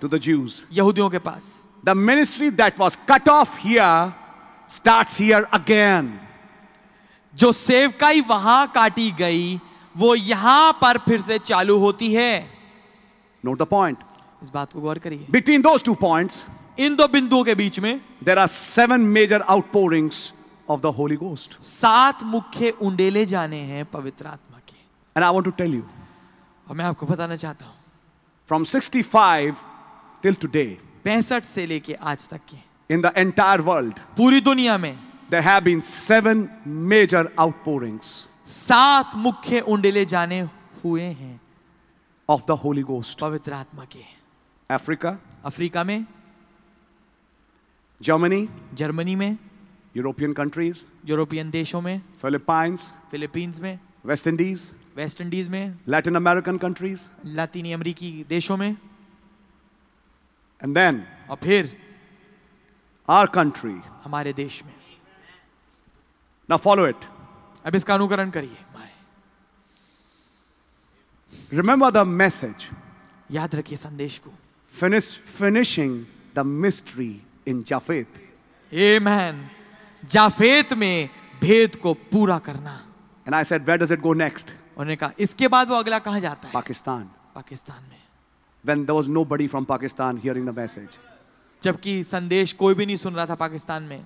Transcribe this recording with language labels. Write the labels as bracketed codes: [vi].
[en] to the Jews, [hi] यहूदियों के पास, [en] the ministry that was cut off here starts here again. [hi] जो सेवकाई वहां काटी गई वो यहां पर फिर से चालू होती है. [en] Note the point. [hi] इस बात को गौर करिए. [en] Between those two points, [hi] इन दो बिंदुओं के बीच में, [en] there are 7 major outpourings of the Holy Ghost. [hi] 7 मुख्य उंडेले जाने हैं पवित्र आत्मा के. [en] And I want to tell you. [hi] और मैं आपको बताना चाहता हूं. [en] From 65 till today. [hi] 65 से लेके आज तक के. [en] In the entire world, [hi] पूरी दुनिया में, [en] there have been 7 major outpourings, [hi] 7 मुख्य उंडेले जाने हुए हैं, [en] of the Holy Ghost, [hi] पवित्र आत्मा के, [en] Africa, [hi] अफ्रीका में, [en] Germany, [hi] जर्मनी में, [en] European countries, [hi] यूरोपियन देशों में, [en] Philippines, [hi] फिलीपींस में, [en] West Indies [hi] में, [en] Latin American countries, [hi] लैटिनी अमेरिकी देशों में, [en] and then, [hi] और फिर [en] our country, [hi] हमारे देश में. [en] Now follow it. [hi] अब इसका अनुकरण करिए. [en] Remember the message. [hi] याद रखिए संदेश को. [en] Finishing the mystery in Japheth. Amen. [hi] Japheth में भेद को पूरा करना. [en] And I said, where does it go next? [hi] उन्होंने कहा इसके बाद वो अगला कहाँ जाता है? [en] Pakistan. [hi] पाकिस्तान में. [en] When there was nobody from Pakistan hearing the message. [hi] जबकि संदेश कोई भी नहीं सुन रहा था पाकिस्तान में.